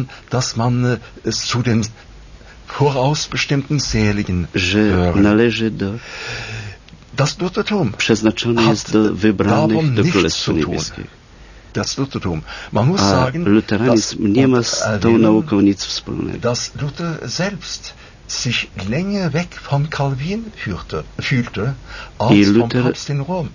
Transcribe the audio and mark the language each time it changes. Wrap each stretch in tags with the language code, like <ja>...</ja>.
<de>dass man zu den vorausbestimmten Seligen</de> <pl>należy do.</pl> <de>Das Luthertum</de> <pl>przeznaczone jest do wybranych do Królestwa Niebieskich.</pl> <de>Das Luthertum. Man muss sagen,</de> <pl>luteranizm nie ma z tą nauką nic wspólnego.</pl> <de>Dass Luther selbst sich länger weg von Calvin fühlte als von Rom.</de>